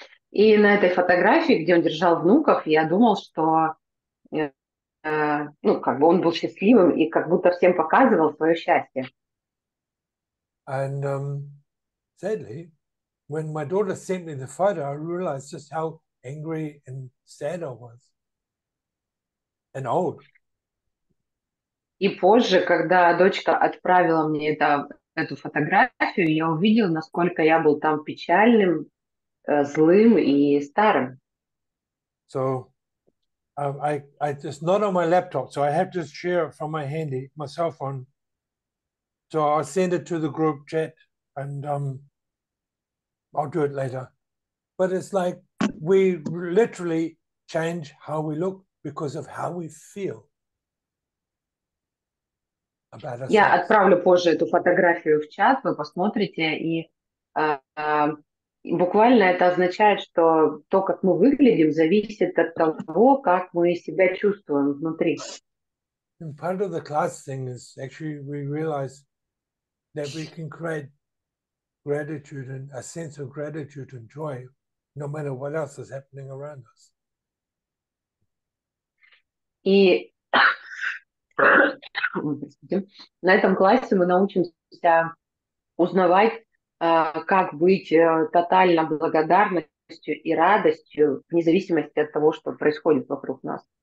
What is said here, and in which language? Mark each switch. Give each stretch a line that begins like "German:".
Russian: И на этой фотографии, где он держал внуков, я думал, что ну, как бы он был счастливым и как будто всем показывал свое счастье.
English: And sadly, when my daughter sent me the photo, I realized just how angry and sad I was. And old.
Russian: И позже, когда дочка отправила мне эту фотографию, я увидел, насколько я был там печальным, злым и старым.
English: So I just not on my laptop, so I have to share it from my handy, my cell phone. So I'll send it to the group chat and I'll do it later. But it's like we literally change how we look because of how we feel about ourselves.
Russian: Я отправлю позже эту фотографию в чат, вы посмотрите, и буквально это означает, что то, как мы выглядим, зависит от того, как мы себя чувствуем внутри.
English: And part of the class thing is actually we realize that we can create gratitude and a sense of gratitude and joy, no matter what else is happening around us.
Russian: И на этом классе мы научимся узнавать, как быть тотально благодарностью и радостью, вне зависимости от того, что происходит вокруг нас.